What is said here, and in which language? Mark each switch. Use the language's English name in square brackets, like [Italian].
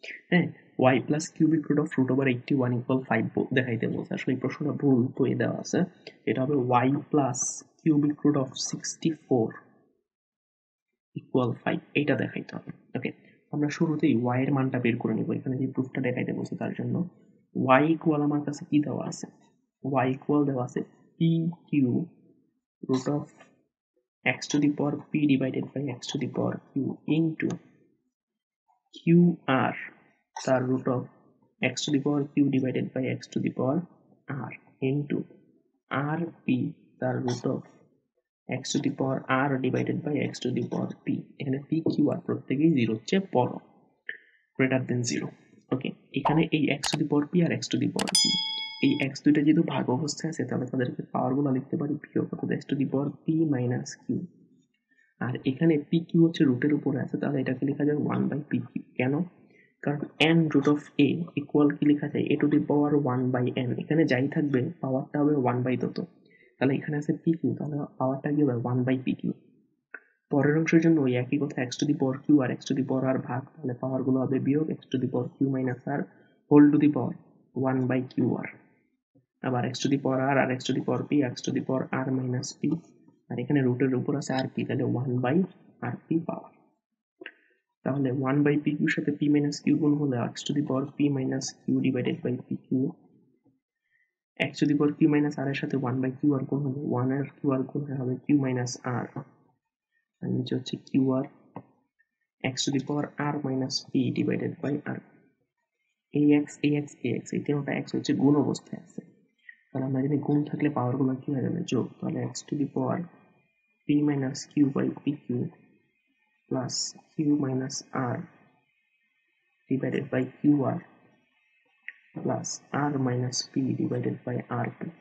[Bangla] হ্যাঁ, y plus cubic root of root over 81 equal 5 দেখাইতে বলছে, আসলে এই প্রশ্নটা ভুল করে দেওয়া আছে। এটা হবে y plus cubic root of 64 equal 5, এটা দেখাইতে হবে। ওকে, আমরা শুরুতেই y এর মানটা বের করে নিব, এখানে যে প্রুফটা দেখাইতে বলছে তার জন্য। y ইকুয়াল আমার কাছে কি দেওয়া আছে? [English] y equal [Bangla] দেওয়া আছে [English] p q root of x to the power p divided by x to the power q into q r star root of x to the power q divided by x to the power r into r p star root of x to the power r divided by x to the power p. [Bangla] এখানে p q r প্রত্যেকই 0 এর চেয়ে বড়, [English] greater than 0। [Bangla] ওকে, এখানে এই x to the power p আর x to the power q, এই x দুটো যেহেতু ভাগ অবস্থায় আছে তাহলে তাদেরকে পাওয়ার গুলো লিখতে পারি p ও কত x to the power p minus q। আর এখানে p q হচ্ছে রুটের উপরে আছে, তাহলে এটাকে লেখা যায় 1 by p q। কেন? কারণ n root of a equal কি লেখা যায়? a to the power 1 by n, এখানে যাই থাকবে পাওয়ারটা হবে 1 by তত, তাহলে এখানে আছে p q, তাহলে পাওয়ারটা কি হবে 1 by p q। পরের অংশের জন্য ওই একই কথা, x to the power q আর x to the power r ভাগ, তাহলে পাওয়ার গুলো হবে বিয়োগ x to the power q minus r whole to the power 1 by q r। আবার x to the power r, x to the power p, x to the power r minus p, আর এখানে রুটের উপর আছে r p, তাহলে 1 by r p পাওয়ার। [English] তাহলে 1 by p q [Bangla] সাথে p minus q গুণ হলে [English] x to the power p minus q divided by p q, x to the power q minus r এর সাথে 1 by q r গুণ হলে 1 এর q r গুণ হবে q minus r, [Bangla] আর নিচে হচ্ছে [English] q r x to the power r minus p divided by r p। ax ax ax [Bangla] এই তিনটা x হচ্ছে গুণ অবস্থায় আছে, তাহলে আমরা যদি গুণ থাকলে পাওয়ার গুলো কি হয়ে যাবে যোগ, তাহলে [English] x to the power p minus q by p q plus q minus r divided by q r plus r minus p divided by r p।